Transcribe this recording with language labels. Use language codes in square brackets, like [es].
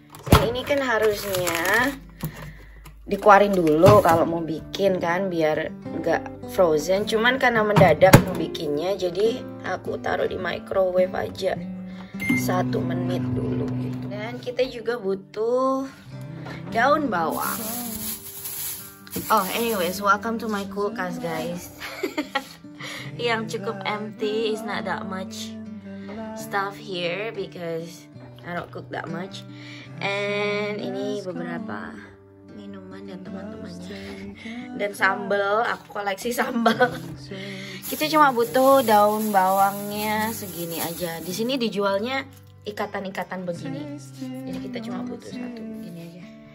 [id] Dan ini kan harusnya dikuarin dulu kalau mau bikin kan biar enggak frozen. Cuman karena mendadak mau bikinnya, jadi aku taruh di microwave aja 1 menit dulu. Dan kita juga butuh daun bawang. [en] Oh, anyways, welcome to my kulkas guys. [id] Yang cukup [en] empty, is not that much stuff here because I don't cook that much. [id] And ini beberapa minuman dan teman-temannya. Dan sambel, aku koleksi sambel. Kita cuma butuh daun bawangnya segini aja. Di sini dijualnya ikatan-ikatan begini. Jadi kita cuma butuh satu begini aja.